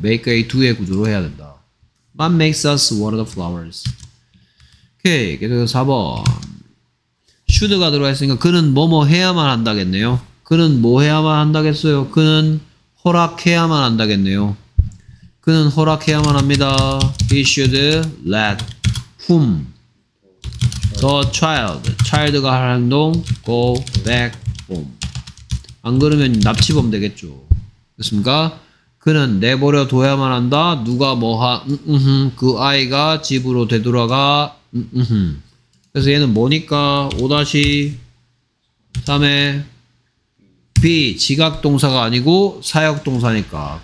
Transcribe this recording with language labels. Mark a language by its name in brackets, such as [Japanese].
[Korean] make A do의 구조로 해야 된다. [English] man makes us water the flowers. [Korean] 오케이. 계속해서 4번. should가 들어가 있으니까 그는 뭐뭐 해야만 한다겠네요. 그는 뭐 해야만 한다겠어요? 그는 허락해야만 한다겠네요. 그는 허락해야만 합니다. [English] he should let whom the child, child가 할 행동, go back home. [Korean] 안 그러면 납치범 되겠죠. 됐습니까? 그는 내버려 둬야만 한다. 누가 뭐하, 그 아이가 집으로 되돌아가, 그래서 얘는 뭐니까? 5-3의 B, 지각동사가 아니고 사역동사니까.